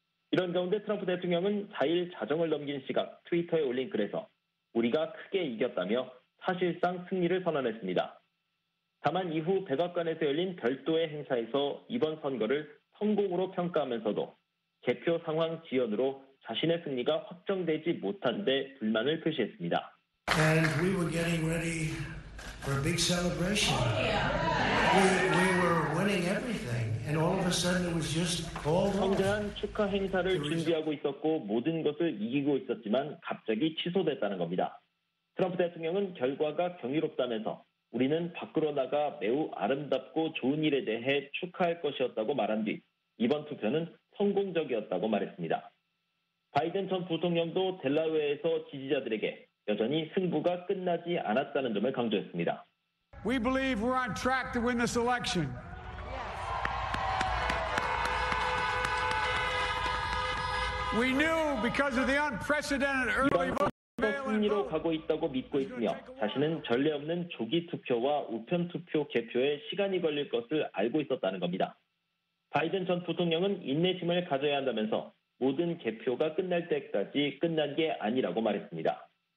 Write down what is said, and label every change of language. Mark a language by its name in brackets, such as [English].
[Korean] 이런 가운데 트럼프 대통령은 4일 자정을 넘긴 시각 트위터에 올린 글에서 우리가 크게 이겼다며 사실상 승리를 선언했습니다. 다만 이후 백악관에서 열린 별도의 행사에서 이번 선거를 성공으로 평가하면서도 개표 상황 지연으로 자신의 승리가 확정되지 못한 데 불만을 표시했습니다. [English] And we were getting ready for a big celebration. We were winning everything. And all of a sudden it was just called off. [Korean] 성대한 축하 행사를 준비하고 있었고 모든 것을 이기고 있었지만 갑자기 취소됐다는 겁니다. 트럼프 대통령은 결과가 경이롭다면서 우리는 밖으로 나가 매우 아름답고 좋은 일에 대해 축하할 것이었다고 말한 뒤 이번 투표는 성공적이었다고 말했습니다. 바이든 전 부통령도 델라웨어에서 지지자들에게 여전히 승부가 끝나지 않았다는 점을 강조했습니다. [English] We believe we're on track to win this election. [Korean] 이번 승리로 가고 있다고 믿고 있으며 자신은 전례 없는 조기 투표와 우편 투표 개표에 시간이 걸릴 것을 알고 있었다는 겁니다. 바이든 전 부통령은 인내심을 가져야 한다면서 모든 개표가 끝날 때까지 끝난 게 아니라고 말했습니다.